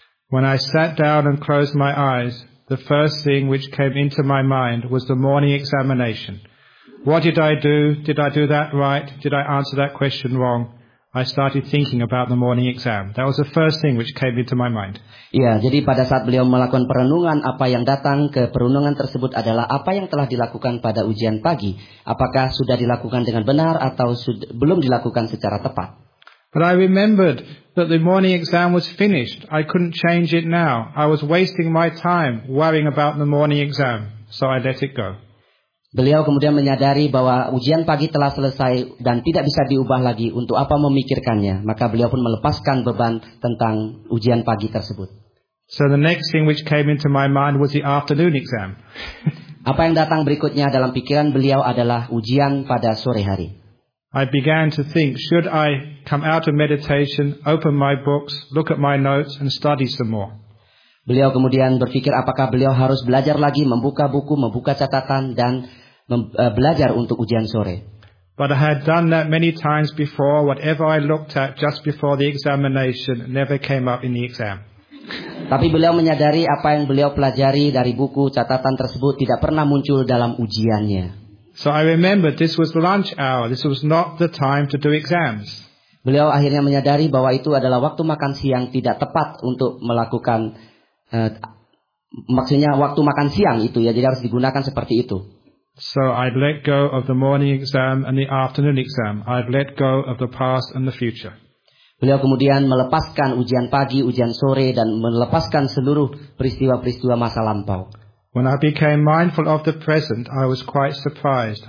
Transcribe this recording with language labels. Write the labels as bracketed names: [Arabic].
[English] When I sat down and closed my eyes, the first thing which came into my mind was the morning examination. What did I do? Did I do that right? Did I answer that question wrong? I started thinking about the morning exam. That was the first thing which came into my mind. [Indonesian] Yeah, jadi pada saat beliau melakukan perenungan, apa yang datang ke perenungan tersebut adalah apa yang telah dilakukan pada ujian pagi. Apakah sudah dilakukan dengan benar atau belum dilakukan secara tepat? [English] But I remembered that the morning exam was finished. I couldn't change it now. I was wasting my time worrying about the morning exam. So I let it go. [Indonesian] Beliau kemudian menyadari bahwa ujian pagi telah selesai dan tidak bisa diubah lagi, untuk apa memikirkannya. Maka beliau pun melepaskan beban tentang ujian pagi tersebut. [English] So the next thing which came into my mind was the afternoon exam. [Indonesian] Apa yang datang berikutnya dalam pikiran beliau adalah ujian pada sore hari. [English] I began to think, should I come out of meditation, open my books, look at my notes and study some more? [Indonesian] Beliau kemudian berpikir apakah beliau harus belajar lagi, membuka buku, membuka catatan, dan belajar untuk ujian sore. [English] But I had done that many times before. Whatever I looked at just before the examination never came up in the exam. [Indonesian] Tapi beliau menyadari apa yang beliau pelajari dari buku catatan tersebut tidak pernah muncul dalam ujiannya. [English] So I remembered this was lunch hour. This was not the time to do exams. [Indonesian] Beliau akhirnya menyadari bahwa itu adalah waktu makan siang tidak tepat untuk melakukan, maksudnya waktu makan siang itu ya, jadi harus digunakan seperti itu. [English] So I've let go of the morning exam and the afternoon exam. I've let go of the past and the future. [Indonesian] Beliau kemudian melepaskan ujian pagi, ujian sore, dan melepaskan seluruh peristiwa-peristiwa masa lampau. [English] When I became mindful of the present, I was quite surprised.